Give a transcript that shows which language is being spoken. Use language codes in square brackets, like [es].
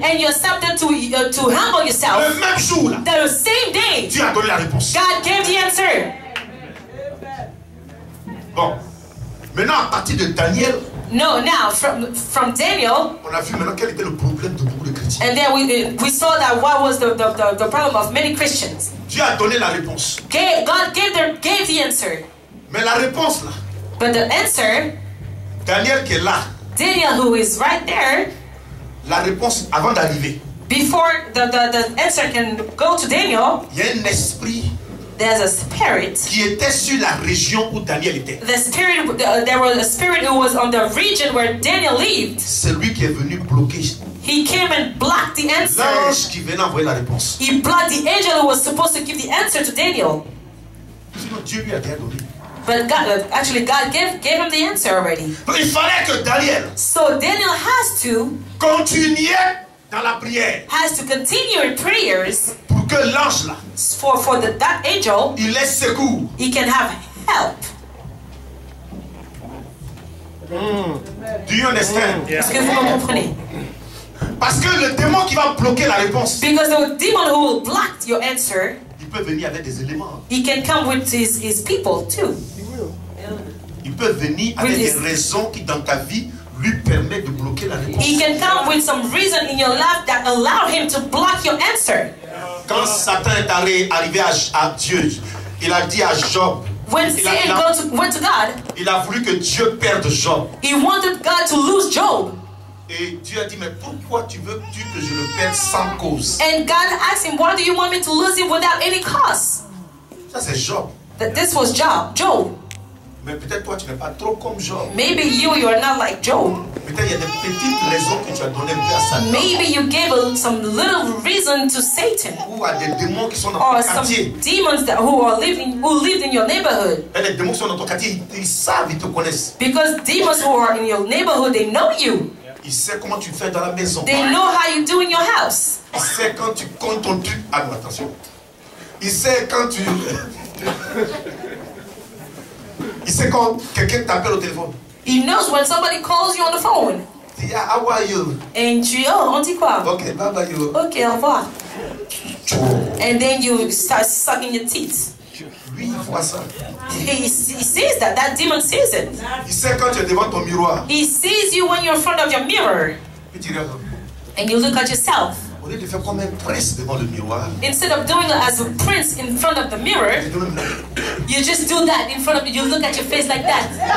[en] And you accepted to humble yourself. [fr] Le même jour là. [en] The same day. [fr] Dieu a donné la réponse. [en] God gave the answer. [fr] Bon. Maintenant à partir de Daniel. [en] No, now from Daniel. [fr] On a vu maintenant quel était le problème de beaucoup de chrétiens. [en] And then we saw that what was the problem of many Christians. [fr] Dieu a donné la réponse. [en] God gave the answer. [fr] Mais la réponse là. [en] But the answer. [fr] Daniel qui est là. [en] Daniel who is right there. [fr] La réponse avant d'arriver. [en] Before the answer can go to Daniel. [fr] Il y a un esprit. [en] There's a spirit. [fr] Qui était sur la région où Daniel était. [en] The spirit, there was a spirit who was on the region where Daniel lived. [fr] C'est lui qui est venu bloquer. [en] He came and blocked the answer. [fr] L'ange qui venait envoyer la réponse. [en] He blocked the angel who was supposed to give the answer to Daniel. [fr] Sinon Dieu lui a déjà donné. [en] But God gave him the answer already. [fr] Il fallait que Daniel. [en] So Daniel has to [fr] continue dans la prière. [en] Has to continue in prayers. [fr] Pour que l'ange là. [en] For the that angel. [fr] Il ait secours. [en] He can have help. Do you understand? [fr] Est-ce que vous me comprenez? Parce que le démon qui va bloquer la réponse. [en] Because the demon who will block your answer. [fr] Il peut venir avec des éléments. [en] He can come with his people too. [fr] Il peut venir avec des raisons qui dans ta vie lui permet de bloquer la réponse. [en] He can come with some reason in your life that allow him to block your answer. [fr] Quand Satan est arrivé à Dieu, il a dit à Job. [en] When Satan went to God. [fr] Il a voulu que Dieu perde Job. [en] He wanted God to lose Job. [fr] Et Dieu a dit, mais pourquoi tu veux que je le perde sans cause? [en] And God asked him, why do you want me to lose him without any cause? [fr] Ça c'est Job. [en] That this was Job. [fr] Mais peut-être toi tu n'es pas trop comme Job. [en] Maybe you are not like Job. [fr] Peut-être il y a des petites raisons que tu as donné à Satan. [en] Maybe you gave some little reason to Satan. [fr] Ou à des démons qui sont dans ton quartier. [en] Or some demons that who lived in your neighborhood. [fr] Et les démons qui sont dans ton quartier, ils savent, ils te connaissent. [en] Because demons who are in your neighborhood, they know you. [fr] Il sait comment tu fais dans la maison. [en] They know how you do in your house. [fr] Il sait quand tu comptes ton truc. Ah non, attention. Il sait quand tu. Il sait quand quelqu'un t'appelle au téléphone. [en] He knows when somebody calls you on the phone. Yeah, how are you? And you, [fr] on dit quoi? [en] Okay, bye bye you. Okay, [fr] au revoir. [en] And then you start sucking your teeth. [fr] Lui, il voit ça. [en] He sees that demon sees it. [fr] Il sait quand tu es devant ton miroir. [en] He sees you when you're in front of your mirror. [fr] Et tu regardes. [en] And you look at yourself. [fr] Au lieu de faire comme un prince devant le miroir. [en] Instead of doing it as a prince in front of the mirror. You just do that in front of you. You look at your face like that.